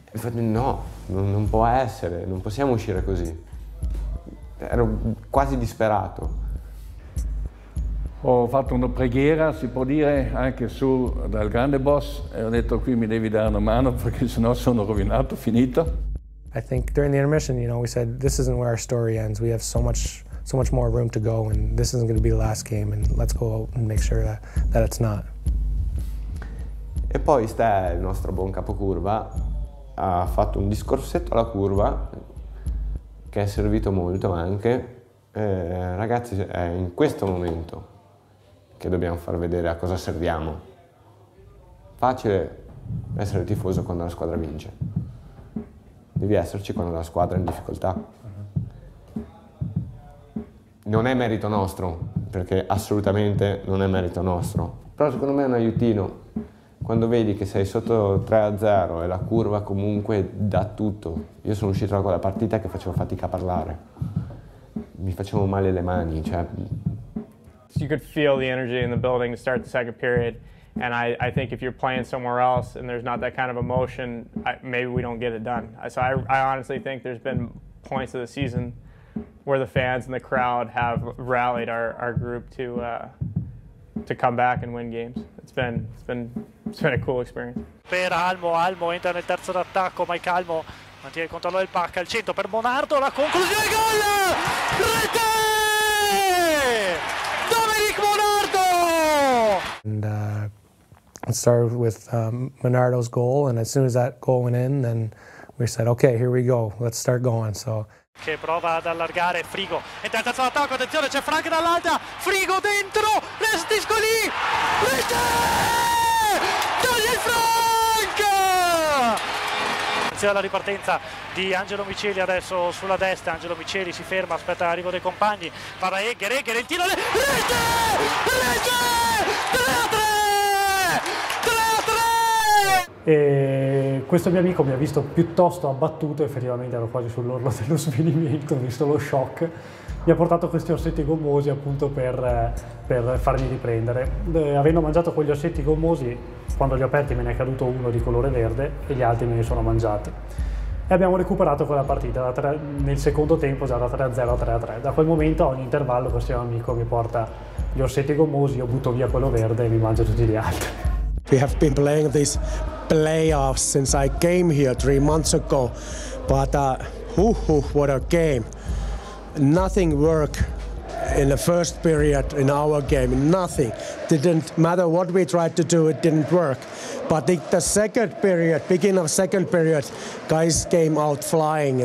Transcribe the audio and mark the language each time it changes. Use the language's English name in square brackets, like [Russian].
[Italian] No, non può essere, non possiamo uscire così. Ero quasi disperato. Ho fatto una preghiera, si può dire, anche su dal grande boss, e ho detto qui mi devi dare una mano perché sennò sono rovinato, finito. [English] I think during the intermission, you know, we said this isn't where our story ends. We have so much more room to go and this isn't going to be the last game and let's go out and make sure that it's not. [Italian] E poi sta il nostro buon capocurva, ha fatto un discorsetto alla curva che è servito molto anche. Ragazzi, è in questo momento che dobbiamo far vedere a cosa serviamo. Facile essere tifoso quando la squadra vince, devi esserci quando la squadra è in difficoltà. Non è merito nostro, perché assolutamente non è merito nostro, però secondo me è un aiutino. Quando vedi che sei sotto 3-0 e la curva comunque dà tutto, io sono uscito da quella partita che facevo fatica a parlare, mi facevo male le mani, cioè. [English] So you could feel the energy in the building to start the second period, and I think if you're playing somewhere else and there's not that kind of emotion, maybe we don't get it done. So I honestly think there's been points of the season where the fans and the crowd have rallied our group to come back and win games. It's been a cool experience. [Italian] Per Almo entra nel terzo d'attacco, ma Calmo mantiene il controllo del pack al centro per Monardo, la conclusione, gol! Rete! Dominic Monardo! [English] And it started with Monardo's goal, and as soon as that goal went in, then we said, okay, here we go, let's start going. So [Italian] che prova ad allargare Frigo. E dal terzo attacco, attenzione, c'è Frank dall'alta. Frigo dentro! Restisco lì! Rete! Togli Frank! Attenzione alla ripartenza di Angelo Miceli adesso sulla destra. Angelo Miceli si ferma, aspetta l'arrivo dei compagni. Parla Egger, il tiro. Rete! Rete! 3-3! 3-3! E questo mio amico mi ha visto piuttosto abbattuto, effettivamente ero quasi sull'orlo dello svenimento, visto lo shock. Mi ha portato questi orsetti gommosi appunto per farmi riprendere. Avendo mangiato quegli orsetti gommosi, quando li ho aperti me ne è caduto uno di colore verde e gli altri me ne sono mangiati. E abbiamo recuperato quella partita nel secondo tempo, già da 3-0 a 3-3. Da quel momento ogni intervallo questo mio amico mi porta gli orsetti gommosi, io butto via quello verde e mi mangio tutti gli altri. [English] We have been playing this playoffs since I came here 3 months ago, but what a game. Nothing worked in the first period in our game, nothing. Didn't matter what we tried to do, it didn't work. But the second period, beginning of second period, guys came out flying.